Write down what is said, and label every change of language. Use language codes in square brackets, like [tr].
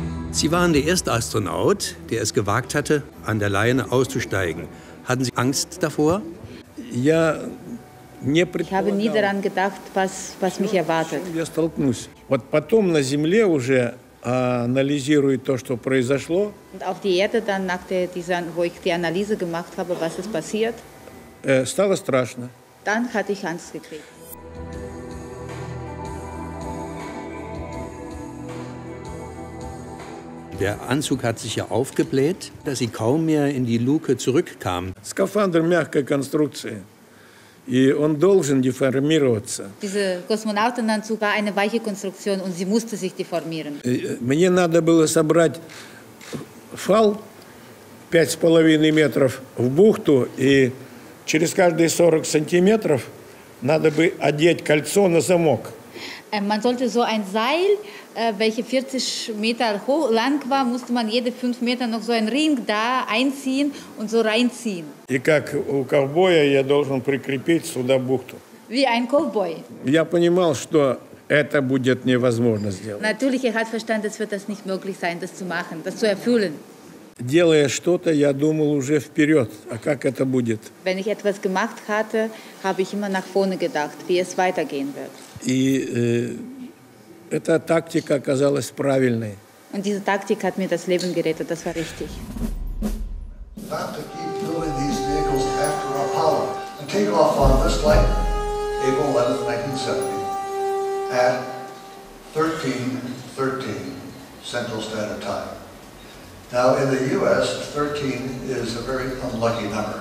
[de] Sie waren der erste Astronaut, der es gewagt hatte, an der Leine auszusteigen. Hatten Sie Angst davor? Ja. Ich habe nie daran gedacht, was mich erwartet. [ru] Я столкнусь. Вот потом на Земле уже анализирует то, что произошло. [de] Und auf die Erde dann nach der dieser, wo ich die Analyse gemacht habe, was ist passiert? [ru] Стало страшно. [de] Dann hatte ich Angst gekriegt. Der Anzug hat sich ja aufgebläht, dass sie kaum mehr in die Luke zurückkam. [ru] Скафандр мягкая конструкция. И он должен деформироваться. [de] Diese Kosmonautenanzug war eine weiche Konstruktion und sie musste sich deformieren. [ru] Мне надо было собрать фал 5,5 метров в бухту и через каждые 40 сантиметров надо бы одеть кольцо на замок. [de] Man sollte so ein Seil, welche 40 Meter hoch lang war, musste man jede 5 Meter noch so einen Ring da einziehen und so reinziehen. [ru] И как у ковбоя я должен прикрепить сюда бухту. [de] Wie ein Cowboy. [ru] Я понимал, что это будет невозможно сделать. [de] Natürlich, er hat verstanden, es wird das nicht möglich sein, das zu machen, das zu erfüllen. [ru] Делая что-то, я думал уже вперед, а как это будет? [de] Wenn ich etwas gemacht hatte, habe ich immer nach vorne gedacht, wie es weitergehen wird. [ru] И эта тактика оказалась правильной. [de] Und diese Taktik hat mir das Leben gerettet, das war richtig. [en] Not to keep doing these vehicles after Apollo and take off on this flight, April 11th, 1970, at 13:13 Central Standard Time. Now in the U.S., 13 is a very unlucky number.